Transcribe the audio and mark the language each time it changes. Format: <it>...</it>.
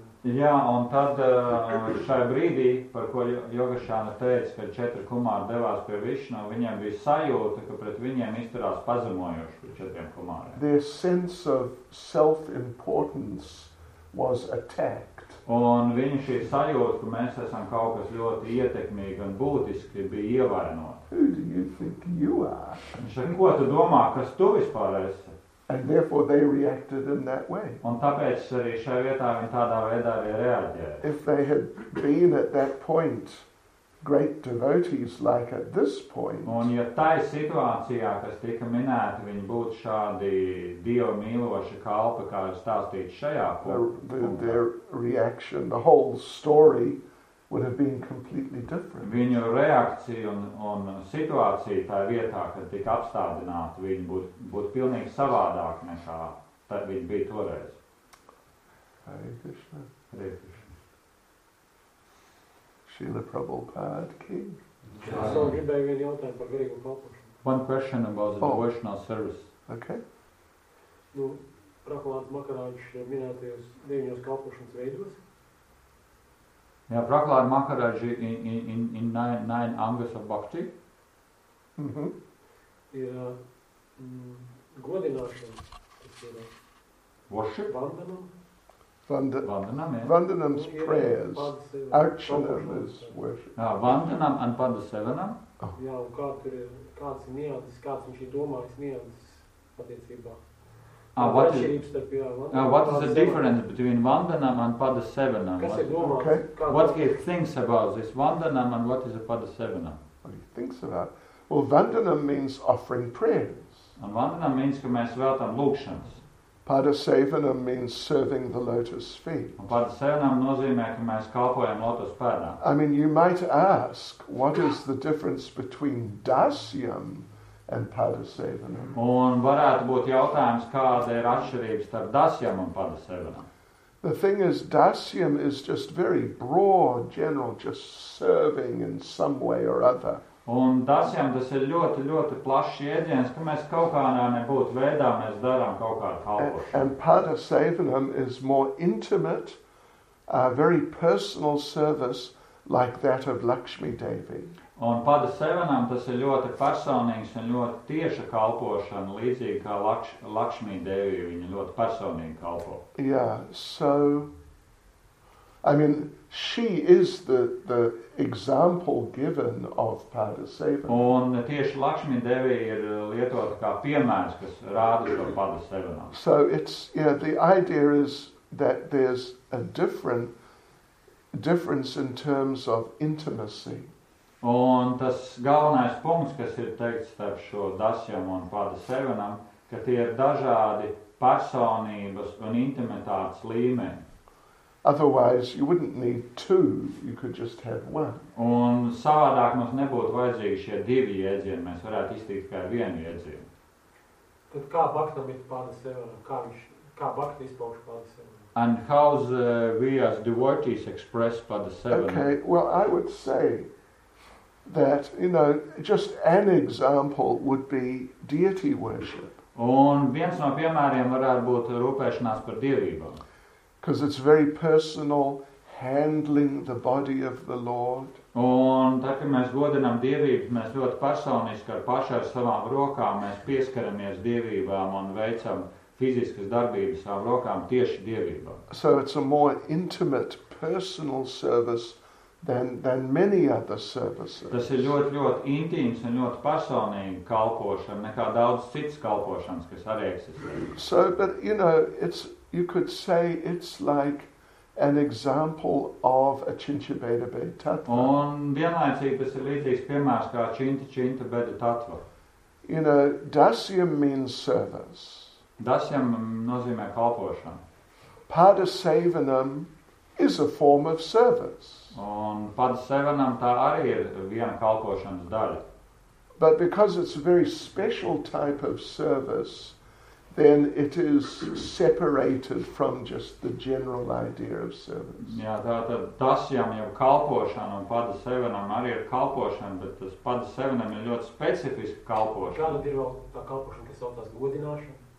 <lv>Jā, un tad šai brīdī, par ko Jogašāna teica, kad četri kumāri devās pie Višnu, viņiem bija sajūta, ka pret viņiem izturās pazemojoši pret četriem kumāriem.</lv> <en>Their sense of self-importance was attacked.</en> <lv>Un viņa šī sajūta, ka mēs esam kaut kas ļoti ietekmīgi un būtiski, bija ievainota.</lv> <en>Who do you think you are?</en> <lv>Un šeit, ko tu domā, kas tu vispār esi?</lv> <en>And therefore they reacted in that way.</en> <lv>Un tāpēc arī šajā vietā viņi tādā veidā arī reaģēja.</lv> <en>If they had been at that point great devotees like at this point.</en> <lv>Un ja tajā situācijā, kas tika minēta, viņi būtu šādi dievu mīloši kalpi, kā ir stāstīts šajā punktā.</lv> <en>Their reaction, the whole story would have been completely different.</en> <lv>Viņu reakcija un situācija tajā vietā, kad tika apstādināta, viņi būtu pilnīgi savādāk nekā tad viņi bija toreiz.</lv> <sa>Hare Krishna. Hare Krishna. Srila Prabhupāda ki?</sa> <lv>Es gribēju vienu jautājumu par garīgu kalpošanu.</lv> <en>One question about the devotional service. Okay.</en> <lv>Nu, Prahlāda Makarādžs minētajos 9 kalpošanas veidos.</lv> <en>Yeah, Prahlāda Makarādžs in 9 angas of bhakti.</en> <lv>Ir godināšana.</lv> <en>Worship. Vandanam. Vandanam's prayers. Archanam is worship. Yeah, Vandanam and Padasevanam.</en> <lv>Jā, un kāds ir niedzis, kāds viņš ir domājis niedzis patiecībā.</lv> <en>What is the difference between Vandanam and Padasevanam? What he thinks about this Vandanam and what is a Padasevanam? What he thinks about? Well, Vandanam means offering prayers. And Vandanam means</en> <lv>ka mēs veltam lūkšanas.</lv> <en>Padasevanam means serving the lotus feet.</en> <lv>Un Padasevanam nozīmē, ka mēs kalpojam lotus pēdām.</lv> <en>I mean, you might ask, what is the difference between Dasyam and Padasevanam?</en> <lv>Un varētu būt jautājums, kāda ir atšķirība starp Dasyam un Padasevanam.</lv> <en>The thing is, Dasyam is just very broad, general, just serving in some way or other.</en> <lv>Un Dasyam tas ir ļoti, ļoti plašs jēdziens, ka mēs kaut kādā nebūtu veidā, mēs darām kaut kādu kalpošanu.</lv> <en>And Padasevanam is more intimate, very personal service like that of Lakshmi Devi.</en> <lv>Un Padasevanam tas ir ļoti personīgs un ļoti tieša kalpošana, līdzīgi kā Lakshmi Devi, viņa ļoti personīgi kalpo.</lv> <en>Yeah, so, I mean, she is the example given of Padasevanam.</en> <lv>Un tieši Lakshmi Devi ir lietota kā piemērs, kas rāda to Padasevanam.</lv> <en>So it's, yeah, the idea is that there's a difference in terms of intimacy.</en> <lv>Un tas galvenais punkts, kas ir teikts starp šo Dasyam un Padasevanam, ka tie ir dažādi personības un intimitātes līmeni.</lv> <en>Otherwise, you wouldn't need two, you could just have one.</en> <lv>Un savādāk mums nebūtu vajadzīgi šie divi jēdzieni, mēs varētu iztikt tikai ar vienu jēdzienu. Tad kā Bhaktam ir Padasevanam? Kā Bhakti izpauš Padasevanam?</lv> <en>And how we as devotees express Padasevanam? Okay, well, I would say that, you know, just an example would be deity worship.</en> <lv>Un viens no piemēriem varētu būt rūpēšanās par dievībām.</lv> <en>Because it's very personal, handling the body of the Lord.</en> <lv>Un tā, ka mēs godinām dievību, mēs ļoti personiski ar pašu ar savām rokām, mēs pieskaramies dievībām un veicam fiziskas darbības savām rokām tieši dievībām.</lv> <en>So it's a more intimate, personal service than many other services.</en> <lv>Tas ir ļoti, ļoti intīms un ļoti personīgi kalpošana, nekā daudz cits kalpošanas, kas arī eksistē.</lv> <en>So, but, you know, it's, you could say it's like an example of a Chinchabedabe tattva.</en> <lv>Un vienlaicīgi tas ir līdzīgs piemērs kā Chinchabedabe tattva.</lv> <en>You know, dasyam means service.</en> <lv>Dasyam nozīmē kalpošanu.</lv> <en>Padasevanam is a form of service.</en> <lv>Un padasevanam tā arī ir viena kalpošanas daļa.</lv> <en>But because it's a very special type of service, then it is separated from just the general idea of service.</en> <lv>Jā, tātad dasyam jau kalpošana un padasevanam arī ir kalpošana, bet tas padasevanam ir ļoti specifiska kalpošana. Kāda ir vēl tā kalpošana, kas saucās godināšana?</lv>